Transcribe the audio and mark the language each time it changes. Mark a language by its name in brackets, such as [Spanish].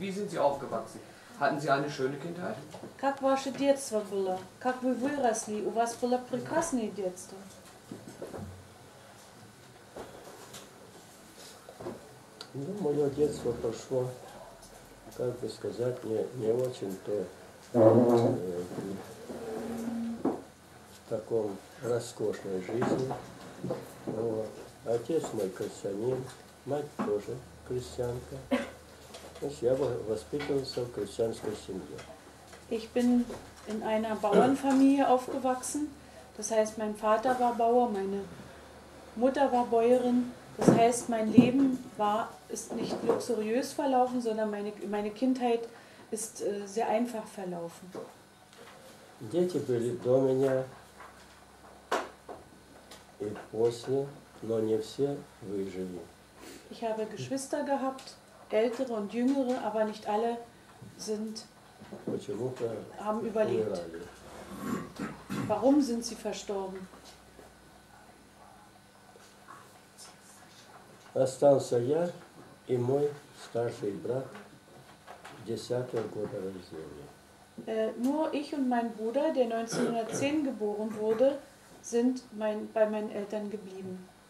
[German] Wie sind Sie aufgewachsen? Hatten Sie eine schöne Kindheit? [Russian] Как ваше детство было? Как вы выросли? У вас было прекрасное детство? Ну, мое детство прошло, как бы сказать, не очень то в таком роскошной жизни. Вот. Отец мой крестьянин, мать тоже крестьянка. Я воспитывался в крестьянской семье. [German] Ich bin in einer Bauernfamilie aufgewachsen. Das heißt, mein Vater war Bauer, meine Mutter war Bäuerin. Das heißt, mein Leben ist nicht luxuriös verlaufen, sondern meine Kindheit ist sehr einfach verlaufen. [Russian] Дети были до меня и после, но не все выжили. [German] Ich habe Geschwister gehabt, ältere und jüngere, aber nicht alle sind haben überlebt. Warum sind sie verstorben? [Russian] Остался я и мой старший брат 10-го года рождения. [German] Nur ich und mein Bruder, der 1910 geboren wurde, sind bei meinen Eltern geblieben.